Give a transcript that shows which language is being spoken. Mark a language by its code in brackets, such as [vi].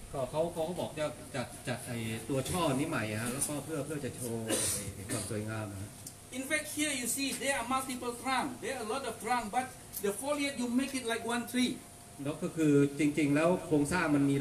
[th] เขาบอกจะไอตัวช่อนี้ใหม่ฮะแล้วก็เพื่อจะโชว์ความสวยงามนะ [en] In fact here you see there are multiple trunk there are a lot of trunk but the foliage you make it like one tree [th] แล้วก็คือจริงๆแล้วโครงสร้างมันมี